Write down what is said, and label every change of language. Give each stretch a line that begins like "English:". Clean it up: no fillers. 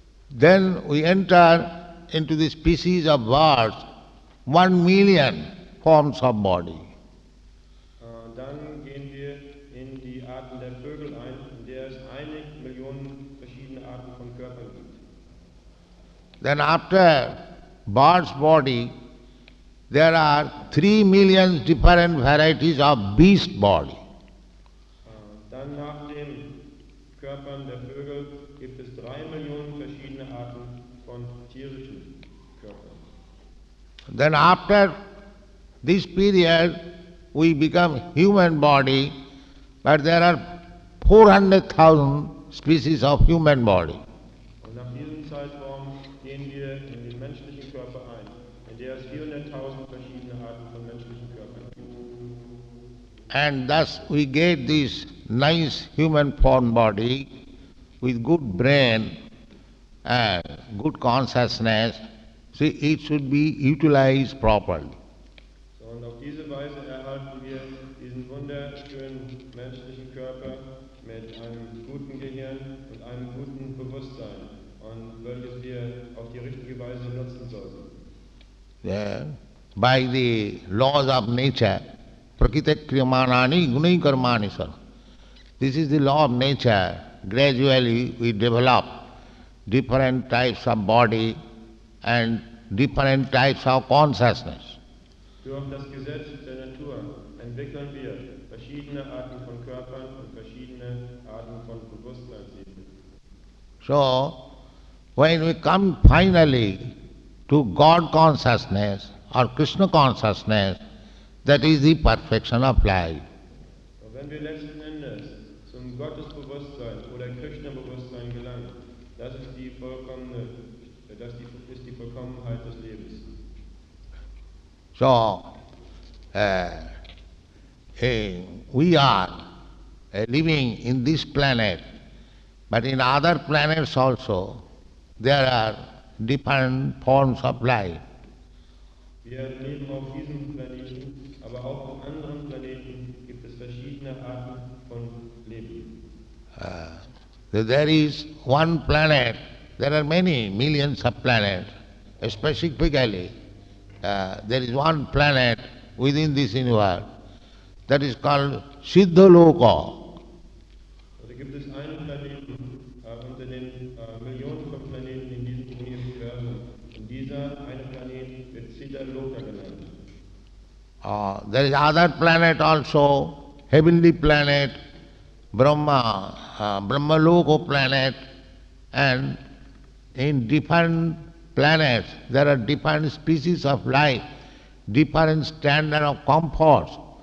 English: Then we enter into the species of birds, 1 million forms of body.
German: Dann gehen wir in die Arten der Vögel ein, in der es 1 Million verschiedene Arten von Körpern gibt.
English: Then after birds' body, there are 3 million different varieties of beast body.
German: Dann nach den Körpern der Vögel gibt es 3 Millionen verschiedene Arten von tierischen Körpern.
English: Then after this period, we become human body, but there are 400,000 species of human body.
German: Und nach diesem Zeitraum gehen wir in den menschlichen Körper ein, in der es 400,000 verschiedene Arten von menschlichen Körpern gibt.
English: And thus we get this nice human form body with good brain and good consciousness. See, it should be utilized properly.
German: So, und auf diese Weise erhalten wir diesen wunderschönen menschlichen Körper mit einem guten Gehirn und einem guten Bewusstsein, und welches wir auf die richtige Weise nutzen sollten.
English: Yeah. By the laws of nature,
Sanskrit: prakite kriyamanani gunai karmani sar.
English: This is the law of nature. Gradually we develop different types of body and different types of consciousness.
German: Durch das Gesetz der Natur entwickeln wir verschiedene Arten von Körpern und verschiedene Arten von Bewusstsein.
English: So, when we come finally to God consciousness or Krishna consciousness, that is the perfection of life.
German: Wenn wir letzten Endes zum Gottesbewusstsein oder Krishna-Bewusstsein gelangt, das ist die Vollkommenheit des Lebens.
English: So, we are living in this planet, but in other planets also there are different forms of life.
German: Wir leben auf diesem Planeten, aber auch auf anderen Planeten gibt es verschiedene Arten von Leben.
English: There is one planet, there are many millions of planets. Specifically, there is one planet within this universe that is called Siddhaloka.
German: Da gibt es einen Planeten unter den Millionen von Planeten in diesem Universum. Und dieser eine Planet wird Siddhaloka genannt.
English: There is other planet also, heavenly planet, Brahma, Brahmaloka planet, and in different planets there are different species of life, different standard of comforts.